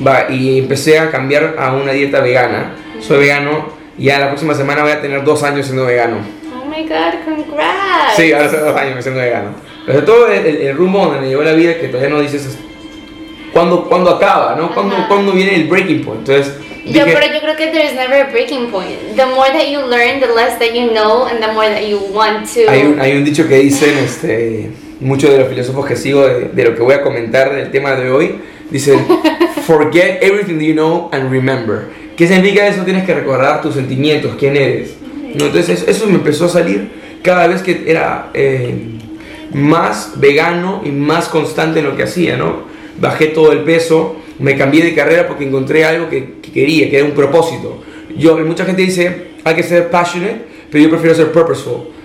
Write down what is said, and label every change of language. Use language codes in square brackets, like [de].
[es] Y empecé a cambiar a una dieta vegana. Soy vegano y ya la próxima semana voy a tener 2 años siendo vegano. [en] Oh my God, congrats. [es] Sí, ahora son 2 años siendo vegano. Pero todo el rumbo donde me llevó la vida, que todavía no dices cuándo acaba, ¿no? ¿Cuándo viene el breaking point? Entonces, pero yo creo que [en] there is never a breaking point. The more that you learn, the less that you know, and the more that you want to. [es] Hay un dicho que dicen muchos de los filósofos que sigo de lo que voy a comentar del tema de hoy. Dicen, [en] forget everything that you know and remember. [es] ¿Qué significa eso? Tienes que recordar tus sentimientos, quién eres. ¿No? Entonces eso me empezó a salir cada vez que era más vegano y más constante en lo que hacía, ¿no? Bajé todo el peso. Me cambié de carrera porque encontré algo que quería, que era un propósito. Mucha gente dice, hay que ser passionate, pero yo prefiero ser purposeful.